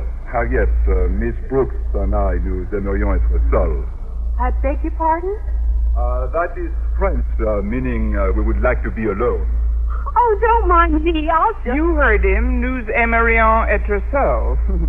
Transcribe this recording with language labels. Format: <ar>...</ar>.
<fr>Harriet,</fr> <en>Miss Brooks and I,</en> <fr>nous aimerions être seuls.</fr> <en>I beg your pardon? That is French, meaning we would like to be alone. Oh, don't mind me. I'll just... You heard him.</en> <fr>Nous aimerions être seuls.</fr>